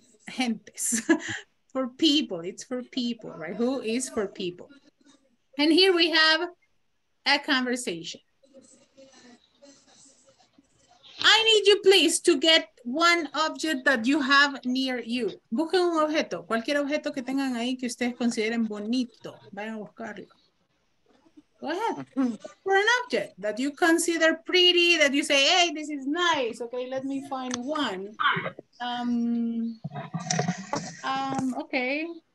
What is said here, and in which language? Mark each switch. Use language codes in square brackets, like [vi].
[en] Gentes. For people, it's for people, right? Who is for people? And here we have a conversation. I need you, please, to get one object that you have near you. [es] Busquen un objeto, cualquier objeto que tengan ahí que ustedes consideren bonito. Vayan a buscarlo. [en] Go ahead. For an object that you consider pretty, that you say, hey, this is nice. Okay, let me find one. Okay.